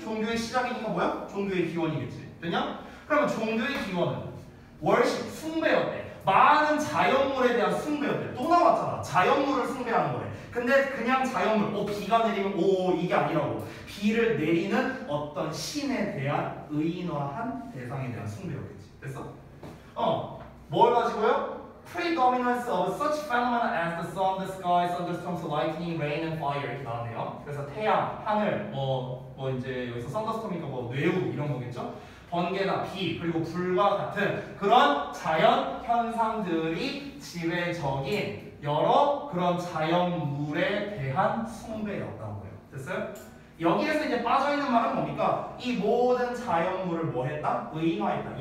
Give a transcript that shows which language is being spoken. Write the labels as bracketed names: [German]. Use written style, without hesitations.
[Korean] 종교의 시작이니까 뭐야? 종교의 기원이겠지. 됐냐? 그러면 종교의 기원은 worship, 숭배였대. 많은 자연물에 대한 숭배였대. 또 나왔잖아. 자연물을 숭배하는 거래. 근데 그냥 자연물, 비가 내리면 오, 이게 아니라고. 비를 내리는 어떤 신에 대한 의인화한 대상에 대한 숭배였겠지. 됐어? 어, 뭘 가지고요? [English] Predominance of such phenomena as the sun, the sky, thunderstorms, lightning, rain, and fire [Korean] 이렇게 나왔네요. 그래서 태양, 하늘, 뭐 이제 여기서 thunderstorm이니까 뭐 뇌우 이런 거겠죠? 번개나 비, 그리고 불과 같은 그런 자연 현상들이 지배적인 여러 그런 자연물에 대한 숭배였다고 해요. 됐어요? 여기에서 이제 빠져있는 말은 뭡니까? 이 모든 자연물을 뭐했다? 의인화했다.